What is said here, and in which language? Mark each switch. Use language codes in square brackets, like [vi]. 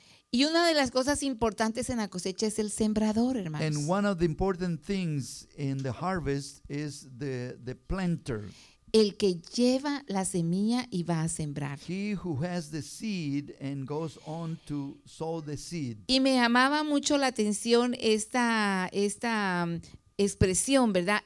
[es] Y una de las cosas importantes en la cosecha es el sembrador, hermanos. [en] And one of the important things in the harvest is the planter. [es] El que lleva la semilla y va a sembrar. [en] He who has the seed and goes on to sow the seed. [es] Y me llamaba mucho la atención esta expresión, ¿verdad?